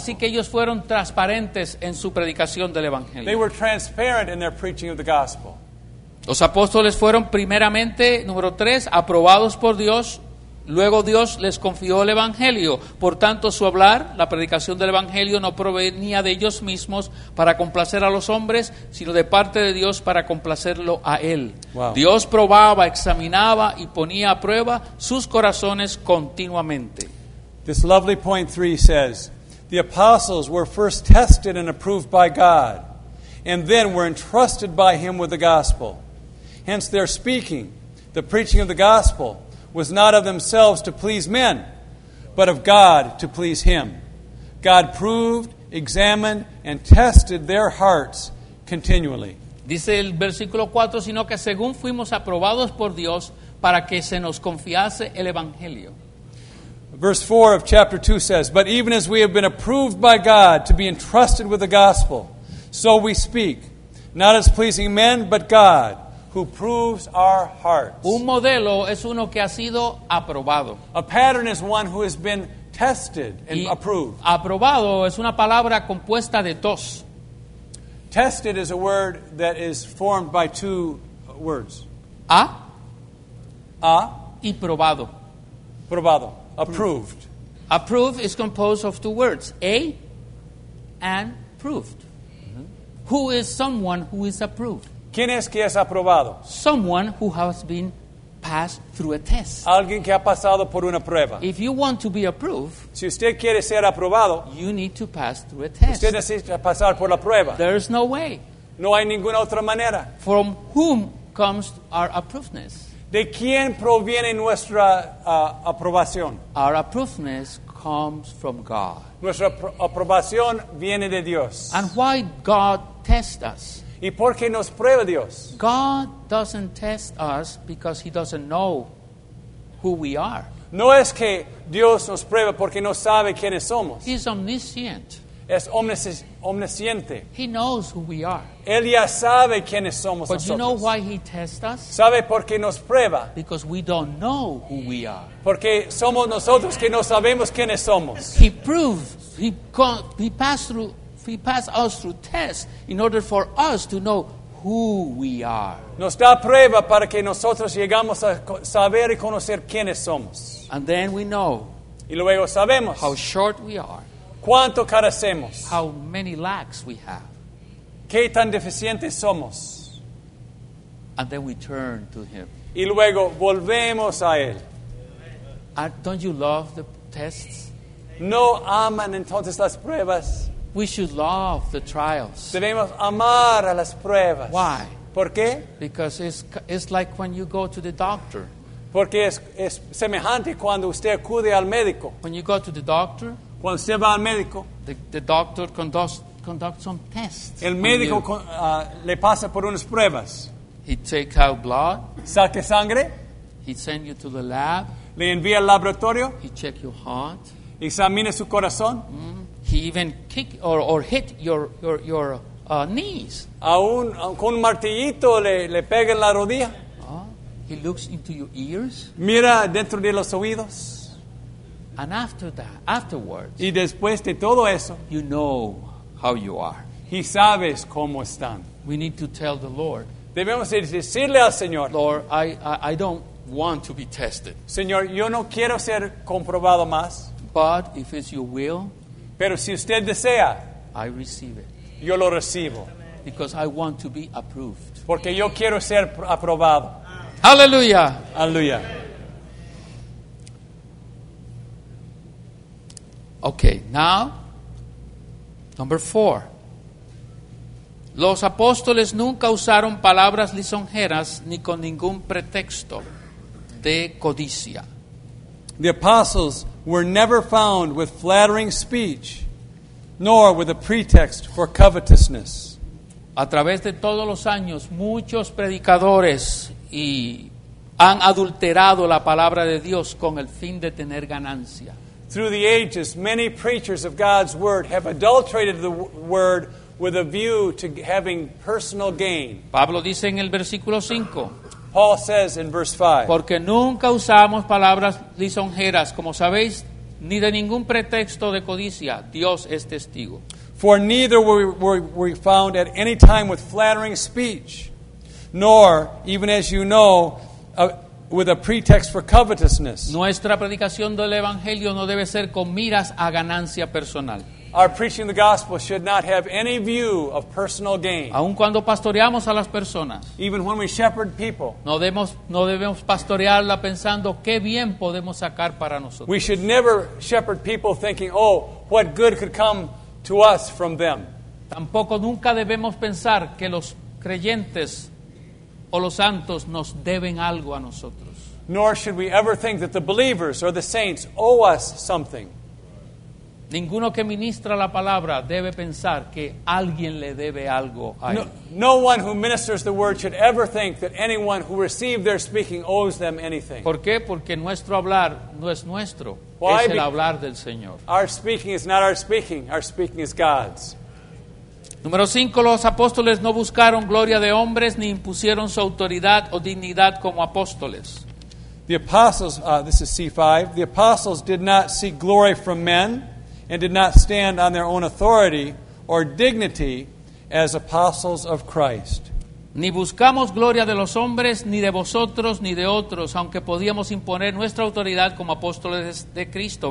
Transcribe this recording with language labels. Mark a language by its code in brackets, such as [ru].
[es] Así que ellos fueron transparentes en su predicación del evangelio. [en] They were transparent in their preaching of the gospel. [es] Los apóstoles fueron primeramente, número 3, aprobados por Dios. Luego Dios les confió el evangelio. Por tanto, su hablar, la predicación del evangelio, no provenía de ellos mismos para complacer a los hombres, sino de parte de Dios para complacerlo a él. [en] Wow. [es] Dios probaba, examinaba y ponía a prueba sus corazones continuamente. [en] This lovely point 3 says, the apostles were first tested and approved by God, and then were entrusted by him with the gospel. Hence their speaking, the preaching of the gospel, was not of themselves to please men, but of God to please him. God proved, examined, and tested their hearts continually. [es] Dice el versículo 4, sino que según fuimos aprobados por Dios para que se nos confiase el evangelio. [en] Verse 4 of chapter 2 says, but even as we have been approved by God to be entrusted with the gospel, so we speak, not as pleasing men, but God, who proves our hearts. [es] Un modelo es uno que ha sido aprobado. [en] A pattern is one who has been tested and approved. [es] Aprobado es una palabra compuesta de dos. [en] Tested is a word that is formed by two words. A. A. [es] Y probado. Probado. Approved. [en] Approved is composed of two words, a and proved. Mm-hmm. Who is someone who is approved? [es] ¿Quién es que es aprobado? [en] Someone who has been passed. pass through a test. [es] Alguien que ha pasado por una prueba. [en] If you want to be approved, [es] si usted quiere ser aprobado, [en] you need to pass through a test. [es] Usted necesita pasar por la prueba. [en] There is no way. [es] No hay ninguna otra manera. [en] From whom comes our approvedness? [es] ¿De quién proviene nuestra aprobación? [en] Our approvedness comes from God. [es] Nuestra aprobación viene de Dios. [en] And why God tests us? [es] ¿Y por qué nos prueba Dios? [en] God doesn't test us because he doesn't know who we are. [es] No es que Dios nos prueba porque no sabe quiénes somos. [en] He's omniscient. [es] Es omnisciente. [en] He knows who we are. [es] Él ya sabe quiénes somos nosotros. [en] But you know why he tests us? [es] ¿Sabe por qué nos prueba? [en] Because we don't know who we are. [es] Porque somos nosotros que no sabemos quiénes somos. [en] He proves, he passed us through tests in order for us to know who we are. [es] Nos da prueba para que nosotros llegamos a saber y conocer quiénes somos. [en] And then we know. [es] Y luego sabemos. [en] How short we are. [es] ¿Cuánto carecemos? [en] How many lacks we have. [es] ¿Qué tan deficientes somos? [en] And then we turn to him. [es] Y luego volvemos a él. [en] Don't you love the tests? [es] ¿No aman entonces las pruebas? [en] We should love the trials. [es] Debemos amar a las pruebas. [en] Why? [es] ¿Por qué? [en] Because it's like when you go to the doctor. [es] Porque es semejante cuando usted acude al médico. [en] When you go to the doctor, [es] cuando usted va al médico, [en] the doctor conducts some tests. [es] El médico le pasa por unas pruebas. [en] He takes out blood. [es] Saca sangre. [en] He sends you to the lab. [es] Le envía al laboratorio. [en] He checks your heart. [es] Examina su corazón. Mm-hmm. [en] He even kick or hit your knees. [es] Aún con un martillito le pega en la rodilla. [en] He looks into your ears. [es] Mira dentro de los oídos. [en] And after that, afterwards. [es] Y después de todo eso, [en] you know how you are. [es] Y sabes cómo están. [en] We need to tell the Lord. [es] Debemos decirle al Señor. [en] Lord, I don't want to be tested. [es] Señor, yo no quiero ser comprobado más. [en] But if it's your will. [es] Pero si usted desea, [en] I receive it. [es] Yo lo recibo. [en] Because I want to be approved. [es] Porque yo quiero ser aprobado. [en] Hallelujah. [es] Hallelujah. [en] Okay, now, number four. [es] Los apóstoles nunca usaron palabras lisonjeras ni con ningún pretexto de codicia. [en] The apostles were never found with flattering speech, nor with a pretext for covetousness. [es] A través de todos los años, muchos predicadores han adulterado la palabra de Dios con el fin de tener ganancia. [en] Through the ages, many preachers of God's word have adulterated the word with a view to having personal gain. [es] Pablo dice en el versículo 5. [en] Paul says in verse 5. [es] Porque nunca usamos palabras lisonjeras, como sabéis, ni de ningún pretexto de codicia. Dios es testigo. [en] For neither were we found at any time with flattering speech, nor, even as you know, with a pretext for covetousness. [es] Nuestra predicación del evangelio no debe ser con miras a ganancia personal. [en] Our preaching the gospel should not have any view of personal gain. [es] Aun cuando pastoreamos a las personas. [en] Even when we shepherd people. [es] No debemos pastorearla pensando qué bien podemos sacar para nosotros. [en] We should never shepherd people thinking, oh, what good could come to us from them. [es] Tampoco nunca debemos pensar que los creyentes o los santos nos deben algo a nosotros. [en] Nor should we ever think that the believers or the saints owe us something. [es] Ninguno que ministra la palabra debe pensar que alguien le debe algo a él. [en] No one who ministers the word should ever think that anyone who received their speaking owes them anything. [es] ¿Por qué? Porque nuestro hablar no es nuestro. [en] Why? [es] Es el hablar del Señor. [en] Our speaking is not our speaking. Our speaking is God's. [es] Número 5, los apóstoles no buscaron gloria de hombres ni impusieron su autoridad o dignidad como apóstoles. [en] The apostles, this is C5, the apostles did not seek glory from men, and did not stand on their own authority or dignity as apostles of Christ. [es] Ni buscamos gloria de los hombres, ni de vosotros, ni de otros, aunque podíamos imponer nuestra autoridad como apóstoles de Cristo.